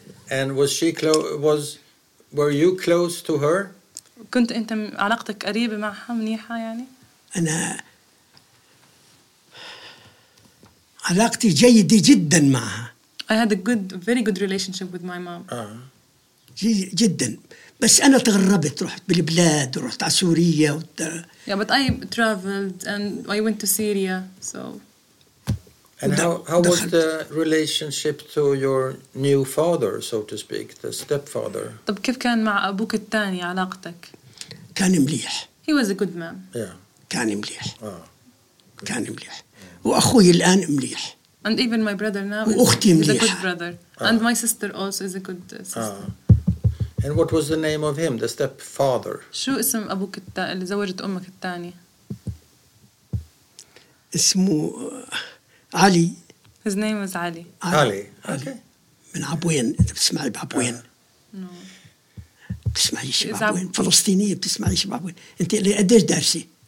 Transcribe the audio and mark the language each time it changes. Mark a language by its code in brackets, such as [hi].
[en] and was she close was were you close to her [ar] كنت انت علاقتك قريبه معها منيحه يعني انا علاقتي جيده جدا معها [en] I had a good very good relationship with my mom [ar] جدا بس أنا تغربت رحت بالبلاد ورحت على سوريا [en] Yeah, but I traveled and I went to Syria, so. And how was the relationship to your new father, so to speak, the stepfather? [ar] طب كيف كان مع أبوك الثاني علاقتك؟ كان مليح. [en] He was a good man. Yeah. [ar] كان مليح. كان مليح. وأخوي الآن مليح. [en] And even my brother now. [ar] وأختي مليحة. [en] He's a good brother. And my sister also is a good sister. And what was the name of him, the stepfather? [ar] شو اسم أبوك اللي زوجت أمك الثانية؟ اسمه علي. [en] His name was Ali. Ali. Okay. [ar] من عبوين. بتسمعي بعبوين؟ بتسمعي شبعبوين؟ فلسطينية بتسمعي شبعبوين؟ أنت اللي قديش دارسي؟